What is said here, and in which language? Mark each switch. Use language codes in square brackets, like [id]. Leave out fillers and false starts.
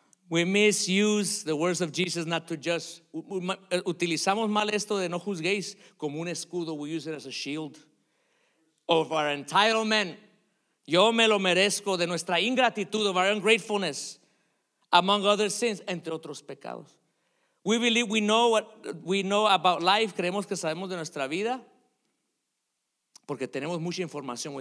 [en] We misuse the words of Jesus not to judge. [es] Utilizamos mal esto de no juzguéis como un escudo. [en] We use it as a shield of our entitlement. [es] Yo me lo merezco, de nuestra ingratitud, [en] of our ungratefulness, among other sins, [es] entre otros pecados. [en] We believe we know what we know about life. [es] Creemos que sabemos de nuestra vida porque tenemos mucha información.